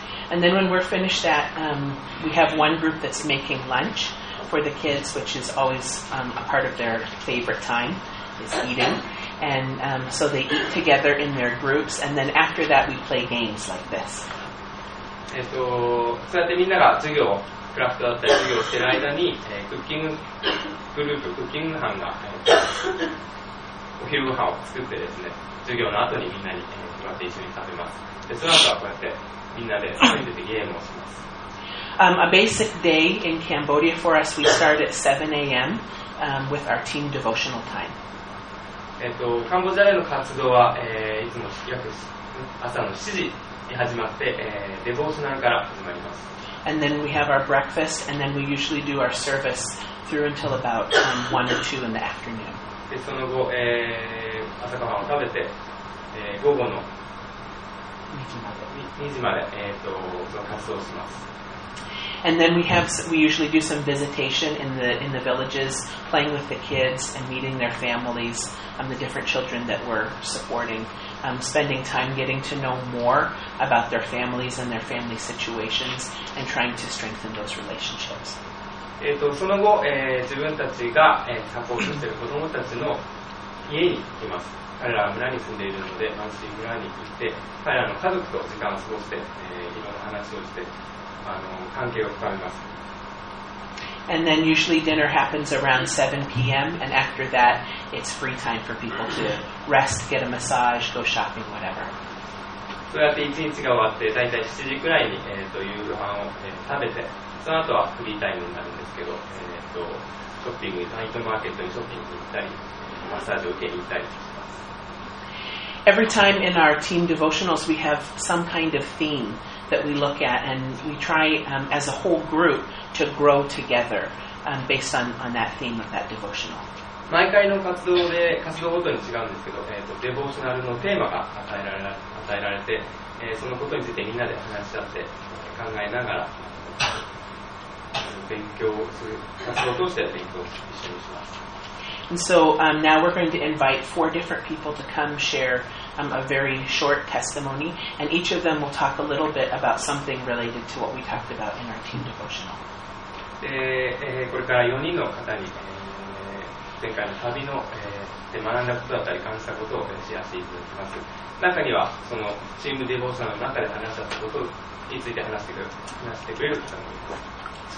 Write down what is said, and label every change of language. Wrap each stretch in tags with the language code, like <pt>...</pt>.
<en>And then when we're finished that, we have one group that's making lunch for the kids, which is always a part of their favorite time, is eating. And so they eat together in their groups, and then after that we play games like this.</en> <ja>そうやってみんなが授業をクラフトだったり授業をしている間に、クッキンググループ、クッキング班が、お昼ご飯を作ってですね、授業の後にみんなに、座って一緒に食べます。でその後はこうやってみんなで一人でゲームをします。</ja> <en>A basic day in Cambodia for us, we start at 7 a.m. With our team devotional time.</en> <ja>カンボジアでの活動は、いつも約朝の7時に始まって、デボーショナルから始まります。</ja> <en>And then we have our breakfast, and then we usually do our service through until about 1 or 2 in the afternoon.</en> <ja>でその後、朝ごはんを食べて、午後の 2時まで、その活動をします。</ja> <en>And then we usually do some visitation in the villages, playing with the kids and meeting their families, the different children that we're supporting, spending time getting to know more about their families and their family situations, and trying to strengthen those relationships.</en> <ja>その後、自分たちが、サポートしている子どもたちの家に行きます。彼らは村に住んでいるので、マンスリー村に行って、彼らの家族と時間を過ごして、いろんな話をして、関係を深めます。</ja> <en>And then usually dinner happens around 7 p.m. and after that it's free time for people to rest, get a massage, go shopping, whatever.</en> <ja>そうやって1日が終わって大体7時くらいに、夕飯を、食べて、その後はフリータイムになるんですけど、ショッピングナイトマーケットにショッピングに行ったり、マッサージを受けに行ったり。</ja> <en>Every time in our team devotionals, we have some kind of theme that we look at, and we try as a whole group to grow together based on that theme of that devotional.</en> <ja>毎回の活動ごとに違うんですけど、デボーショナルのテーマが与えられて、そのことについてみんなで話し合って、考えながら勉強をする、活動を通して勉強を一緒にします。</ja> <en>And so now we're going to invite four different people to come share a very short testimony, and each of them will talk a little bit about something related to what we talked about in our team devotional.</en> <ja>で、これから4人の方に、前回の旅の、で学んだことだったり感じたことをシェアしていただきます。中にはそのチームデボーションの中で話したことについて話してくれる方もいます。</ja>